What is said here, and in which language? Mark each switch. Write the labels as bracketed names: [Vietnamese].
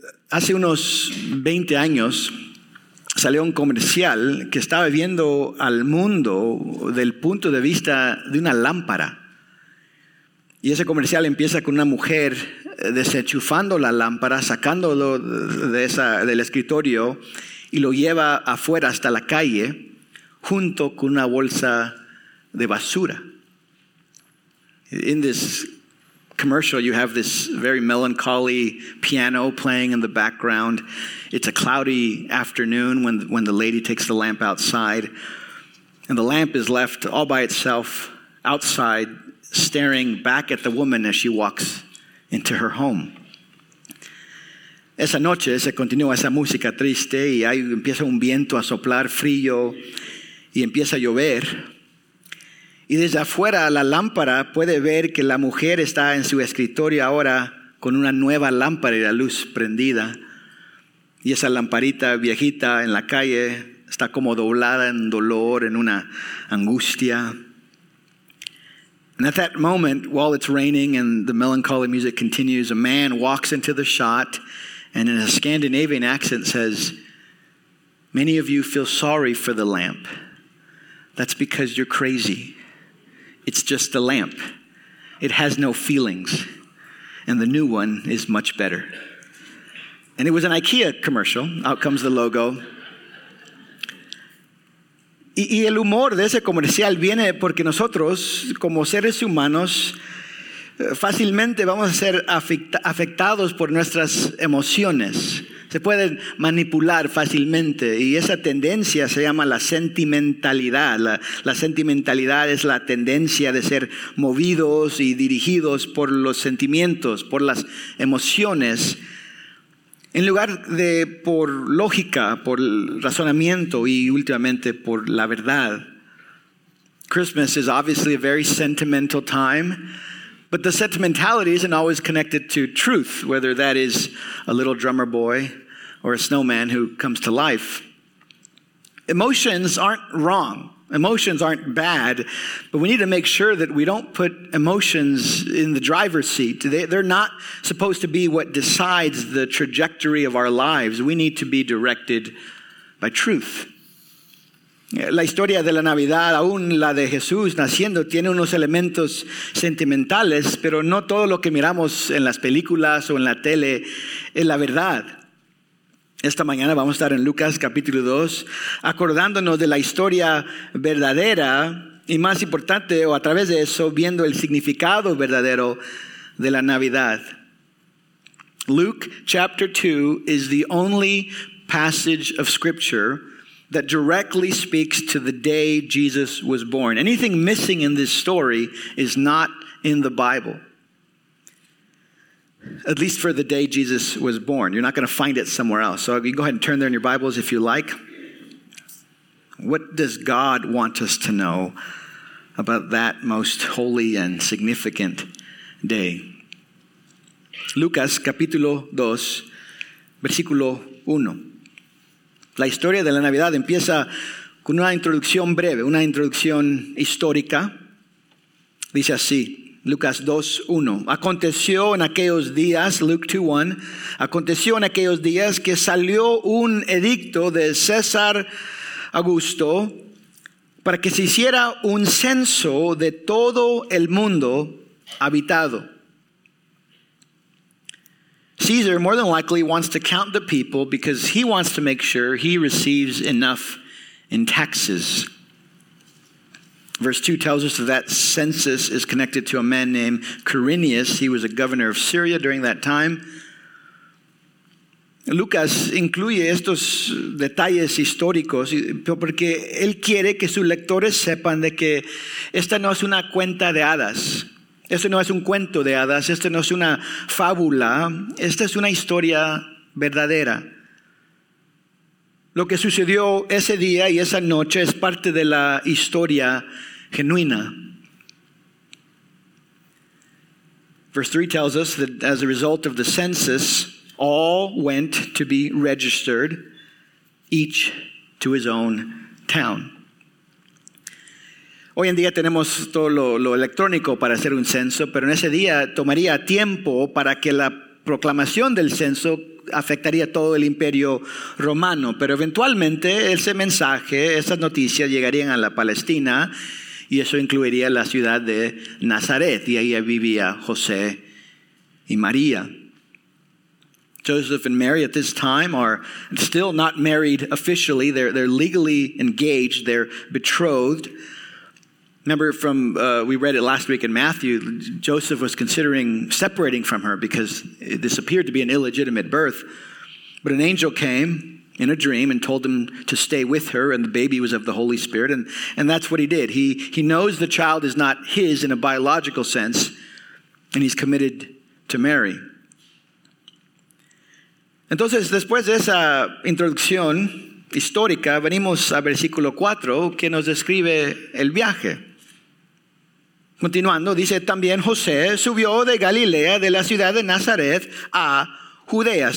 [Spanish] Hace unos 20 años salió un comercial que estaba viendo al mundo del punto de vista de una lámpara. Y ese comercial empieza con una mujer desenchufando la lámpara, sacándolo de del escritorio y lo lleva afuera hasta la calle junto con una bolsa de basura. [English] In this commercial, you have this very melancholy piano playing in the background. It's a cloudy afternoon when the lady takes the lamp outside, and the lamp is left all by itself outside, staring back at the woman as she walks into her home. [Spanish] Esa noche se continúa esa música triste y ahí empieza un viento a soplar frío y empieza a llover. Y desde afuera la lámpara puede ver que la mujer está en su escritorio ahora con una nueva lámpara y la luz prendida. Y esa lamparita viejita en la calle está como doblada en dolor, en una angustia. [English] And at that moment, while it's raining and the melancholy music continues, a man walks into the shot and in a Scandinavian accent says, "Many of you feel sorry for the lamp. That's because you're crazy. It's just a lamp. It has no feelings. And the new one is much better." And it was an IKEA commercial. Out comes the logo. [Spanish] Y el humor de ese comercial viene porque nosotros, como seres humanos, fácilmente vamos a ser afectados por nuestras emociones. Se pueden manipular fácilmente. Y esa tendencia se llama la sentimentalidad. La sentimentalidad es la tendencia de ser movidos y dirigidos por los sentimientos, por las emociones. En lugar de por lógica, por razonamiento y últimamente por la verdad. [English] Christmas is obviously a very sentimental time, but the sentimentality isn't always connected to truth, whether that is a little drummer boy or a snowman who comes to life. Emotions aren't wrong. Emotions aren't bad, but we need to make sure that we don't put emotions in the driver's seat. They're not supposed to be what decides the trajectory of our lives. We need to be directed by truth. [Spanish] La historia de la Navidad, aún la de Jesús naciendo, tiene unos elementos sentimentales, pero no todo lo que miramos en las películas o en la tele es la verdad. Esta mañana vamos a estar en Lucas capítulo 2, acordándonos de la historia verdadera y más importante, o a través de eso, viendo el significado verdadero de la Navidad. [English] Luke chapter 2 is the only passage of Scripture that directly speaks to the day Jesus was born. Anything missing in this story is not in the Bible. At least for the day Jesus was born. You're not going to find it somewhere else. So you go ahead and turn there in your Bibles if you like. What does God want us to know about that most holy and significant day? [Spanish] Lucas, capítulo 2, versículo 1. La historia de la Navidad empieza con una introducción breve, una introducción histórica. Dice así. Lucas 2:1. Aconteció en aquellos días, Luke 2:1. Aconteció en aquellos días que salió un edicto de César Augusto para que se hiciera un censo de todo el mundo habitado. [English] Caesar more than likely wants to count the people because he wants to make sure he receives enough in taxes. Verse 2 tells us that census is connected to a man named Quirinius. He was a governor of Syria during that time. [Spanish] Lucas incluye estos detalles históricos porque él quiere que sus lectores sepan de que esta no es una cuenta de hadas. Esto no es un cuento de hadas. Esto no es una fábula. Esta es una historia verdadera. Lo que sucedió ese día y esa noche es parte de la historia genuina. [English] Verse 3 tells us that as a result of the census, all went to be registered, each to his own town. [Spanish] Hoy en día tenemos todo lo electrónico para hacer un censo, pero en ese día tomaría tiempo para que la proclamación del censo afectaría todo el imperio romano, pero eventualmente ese mensaje, esas noticias llegarían a la Palestina y eso incluiría la ciudad de Nazaret, y ahí vivía José y María. [English] Joseph and Mary at this time are still not married officially. They're legally engaged, they're betrothed. Remember from, we read it last week in Matthew, Joseph was considering separating from her because this appeared to be an illegitimate birth. But an angel came in a dream and told him to stay with her, and the baby was of the Holy Spirit, and that's what he did. He knows the child is not his in a biological sense, and he's committed to Mary. [Spanish] Entonces, después de esa introducción histórica, venimos a versículo 4, que nos describe el viaje. Continuando, dice, también José subió de Galilea, de la ciudad de Nazaret, a Judea.